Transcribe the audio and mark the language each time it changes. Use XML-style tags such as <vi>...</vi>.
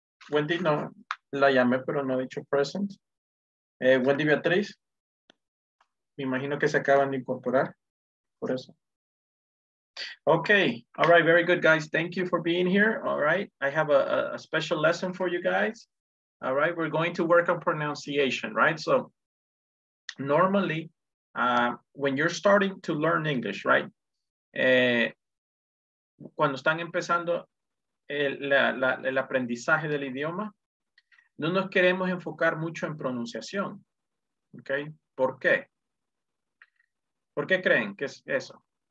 <es>Wendy, no, la llamé, pero no ha dicho present. Wendy Beatriz, me imagino que se acaban de incorporar, por eso.</es> <en>Okay, all right, very good, guys. Thank you for being here, all right? I have a special lesson for you guys. All right, we're going to work on pronunciation, right? So normally, when you're starting to learn English, right?</en> <es>Cuando están empezando el aprendizaje del idioma, no nos queremos enfocar mucho en pronunciación, ¿ok? ¿Por qué? ¿Por qué creen que es eso?</es>